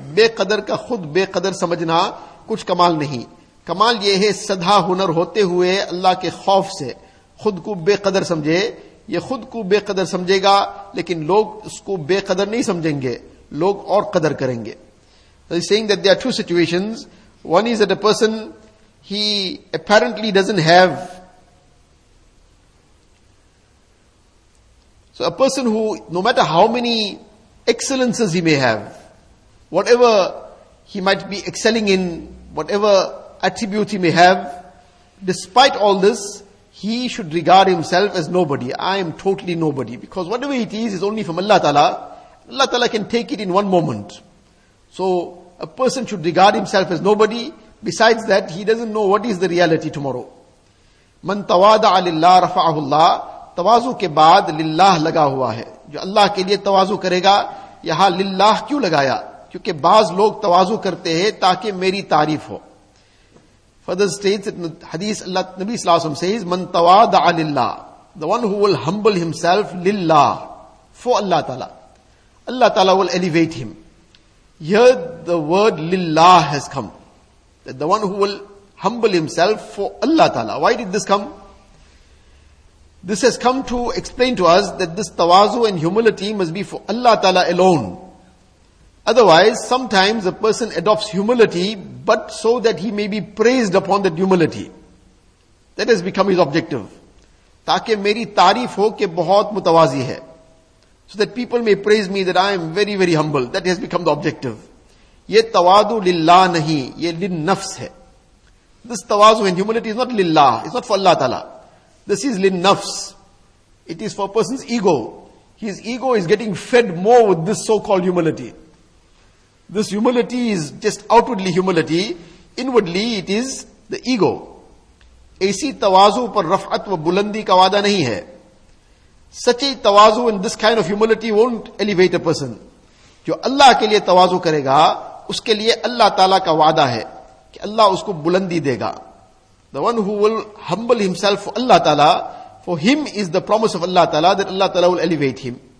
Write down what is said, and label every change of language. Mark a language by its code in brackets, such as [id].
[ur] بے قدر کا خود بے قدر سمجھنا کچھ کمال نہیں. کمال یہ ہے صدہ ہنر ہوتے ہوئے اللہ کے خوف سے خود کو بے قدر سمجھے. یہ خود کو بے قدر سمجھے گا لیکن لوگ اس کو بے قدر نہیں سمجھیں گے, لوگ اور قدر کریں گے. [en] He's saying that there are two situations. One is that a person, he apparently doesn't have. So a person who, no matter how many excellences he may have, whatever he might be excelling in, whatever attribute he may have, despite all this, he should regard himself as nobody. I am totally nobody. Because whatever it is only from Allah Ta'ala. Allah Ta'ala can take it in one moment. So a person should regard himself as nobody. Besides that, he doesn't know what is the reality tomorrow. [ar] مَن تَوَادَعَ لِلَّهِ رَفَعَهُ اللَّهِ. [ur] تواضع کے بعد للہ لگا ہوا ہے, جو اللہ کے لیے تواضع کرے گا. یہاں للہ کیوں لگایا؟ کیونکہ بعض لوگ تواضع کرتے ہیں تاکہ میری تعریف ہو. [en] further states حدیث اللہ نبی صلی اللہ علیہ وسلم سیز [ar] من تواضع للہ, [en] the one who will humble himself للہ, for اللہ تعالی, اللہ تعالی will elevate him. Here the word للہ has come, that the one who will humble himself for Allah Ta'ala. Why did this come? This has come to explain to us that this tawazu and humility must be for Allah Ta'ala alone. Otherwise, sometimes a person adopts humility, but so that he may be praised upon that humility. That has become his objective. [ur] تاکہ میری تعریف ہو کہ بہت متوازی ہے. [en] So that people may praise me that I am very, very humble. That has become the objective. [ur] یہ توازو للہ نہیں, یہ للنفس ہے. [en] This tawazu and humility is not للہ, it's not for Allah Ta'ala. This is للنفس. It is for a person's ego. His ego is getting fed more with this so-called humility. This humility is just outwardly humility. Inwardly it is the ego. [ur] ایسی توازو پر رفعت و بلندی کا وعدہ نہیں ہے. [en] Such a tawazu and this kind of humility won't elevate a person. [ur] جو اللہ کے لیے توازو کرے گا اس کے لیے اللہ تعالیٰ کا وعدہ ہے کہ اللہ اس کو بلندی دے گا. [en] The one who will humble himself for Allah Ta'ala, for him is the promise of Allah Ta'ala that Allah Ta'ala will elevate him.